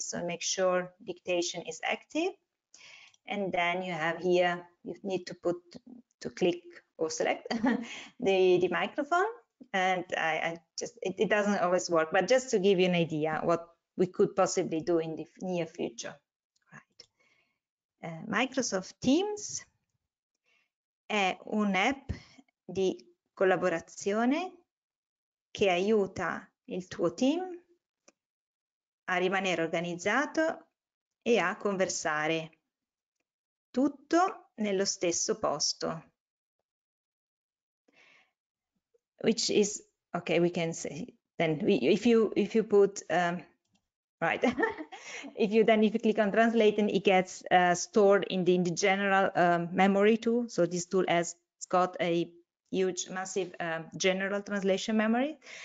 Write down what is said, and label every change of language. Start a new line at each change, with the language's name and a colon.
English: So make sure dictation is active. And then you have here, you need to click or select the microphone. and it doesn't always work, but just to give you an idea what we could possibly do in the near future. Right.
Italian: Microsoft Teams è un'app di collaborazione che aiuta il tuo team a rimanere organizzato e a conversare tutto nello stesso posto.
English: Which is okay, we can say then if you put right if you click on translate, and it gets stored in the general memory too. So this tool has got a huge massive general translation memory.